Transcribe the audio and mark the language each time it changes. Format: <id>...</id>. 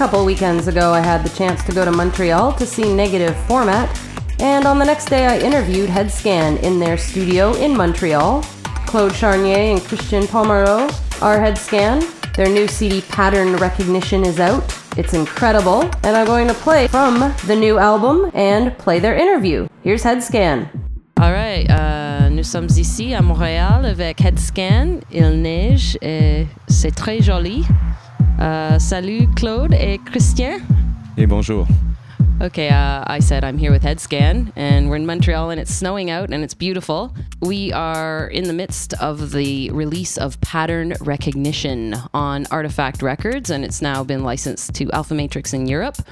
<en>Weekends ago, I had the chance to go to Montreal to see Negative Format, and on the next day I interviewed Headscan in their studio in Montreal. Claude Charnier and Christian Pomereau are Headscan. Their new CD, Pattern Recognition, is out. It's incredible, and I'm going to play from the new album and play their interview. Here's Headscan.</en> <fr>All right, nous sommes ici à Montréal avec Headscan. Il neige et c'est très joli. Salut Claude et Christian. Et bonjour.</fr> <en>Okay, I said I'm here with Headscan, and we're in Montreal, and it's snowing out, and it's beautiful. We are in the midst of the release of Pattern Recognition on Artifact Records, and it's now been licensed to Alpha Matrix in Europe.</en>